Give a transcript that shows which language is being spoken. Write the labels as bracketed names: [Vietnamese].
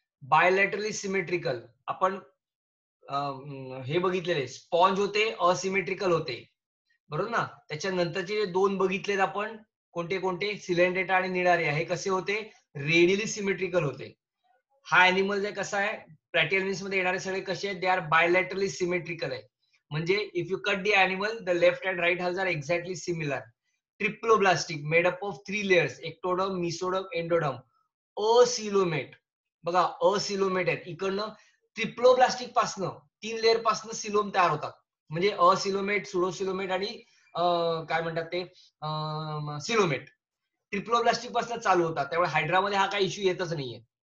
[Marathi] Bilaterally symmetrical, आपण हे बघितलेले स्पॉन्ज होते असिमेट्रिकल होते बरोबर ना, त्याच्यानंतरचे जे दोन बघितलेत आपण कोणते कोणते सिलेंडेटा आणि निडारिया हे कसे होते रेडिअली सिमेट्रिकल होते. हा अॅनिमल जे कसा आहे प्रॅटियलमिन्स मध्ये येणारे सगळे कसे आहेत [English] they are bilaterally symmetrical [Marathi] आहे, म्हणजे [English] If you cut the animal the left and right halves are exactly similar. Triploblastic made up of three layers ectoderm mesoderm endoderm acoelomate. [Marathi] बघा असिलोमेट आहेत इकडनं ट्रिप्लोब्लास्टिक पासन तीन लेअर पासन सिलोम तयार होतात म्हणजे असिलोमेट सुडोसिलोमेट आणि काय म्हणतात ते सिलोमेट ट्रिप्लोब्लास्टिक पासन चालू होतात त्यामुळे हायड्रामध्ये हा काही इश्यू येतच नाहीये.